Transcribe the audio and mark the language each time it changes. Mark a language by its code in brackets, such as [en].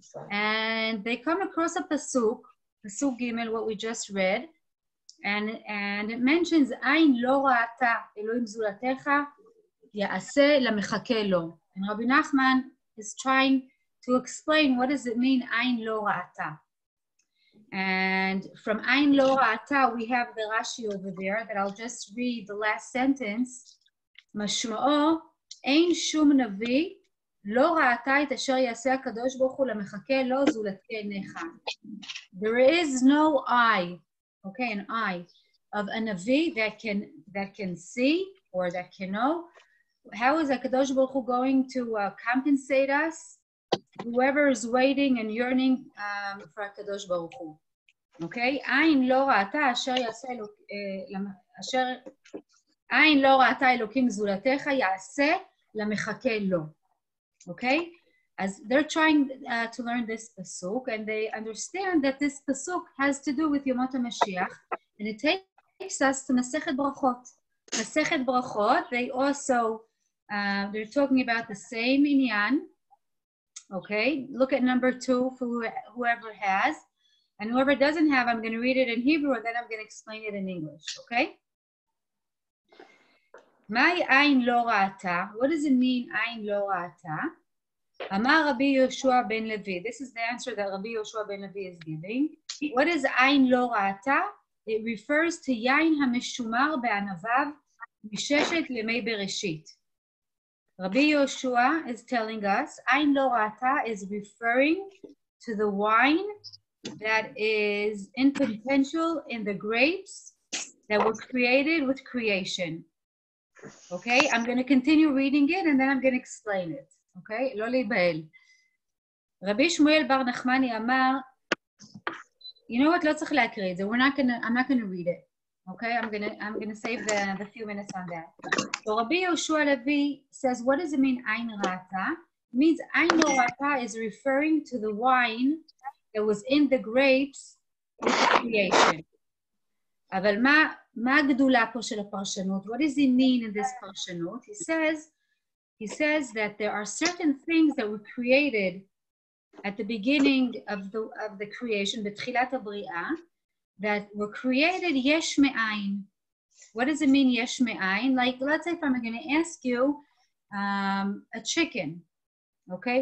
[en] And they come across a pasuk gimel, what we just read, and it mentions, [he] ayin lo ra'ata Elohim zulatecha ya'ase la'mechakeh lo. [en] And Rabbi Nachman is trying to explain what does it mean, [he] ayin lo ra'ata. [en] And from ayin lo ra'ata, we have the Rashi over there, that I'll just read the last sentence, [he] mashmo'o, אין שום נביא לא ראתה את אשר יעשה הקדוש ברוך הוא למחכה לו זולתי עיניך. [en] There is no eye, okay, an eye of a navi that can see or that can know. How is הקדוש ברוך הוא going to compensate us? Whoever is waiting and yearning for הקדוש ברוך הוא. [he] Okay, אין לא ראתה אשר יעשה אשר אין לא ראתה אלוקים זולתיך יעשה למחכה לו. [en] Okay? As they're trying to learn this pasuk, and they understand that this pasuk has to do with Yomot HaMashiach, and it takes us to Masechet Brachot. Masechet Brachot, they also, they're talking about the same inyan. Okay? Look at number two for whoever has. And whoever doesn't have, I'm going to read it in Hebrew, and then I'm going to explain it in English. Okay? [he] מהי עין לא ראתה? [en] What does it mean, [he] עין לא ראתה? אמר רבי יהושע בן לוי. [en] This is the answer that רבי יהושע בן לוי is giving. What is [he] עין לא ראתה? [en] It refers to [he] יין המשומר בענביו מששת למי בראשית. [en] רבי יהושע is telling us, [he] עין לא ראתה [en] is referring to the wine that is in potential in the grapes that were created with creation. Okay, I'm going to continue reading it and then I'm going to explain it. [he] Okay, לא להיבהל. רבי שמואל בר נחמני אמר, [en] You know what? Let's not read it. I'm not gonna read it. Okay, I'm gonna save the few minutes on that. So Rabbi Yehoshua Levi says, what does it mean, Ein Rata? It means Ein Rata is referring to the wine that was in the grapes of creation. [he] אבל מה הגדולה פה של הפרשנות? [en] What does he mean in this פרשנות? He says that there are certain things that were created at the beginning of the creation, [he] בתחילת הבריאה, [en] that were created [he] יש מאין. [en] What does it mean, [he] יש מאין? [en] Like, let's say if I'm going to ask you a chicken, okay?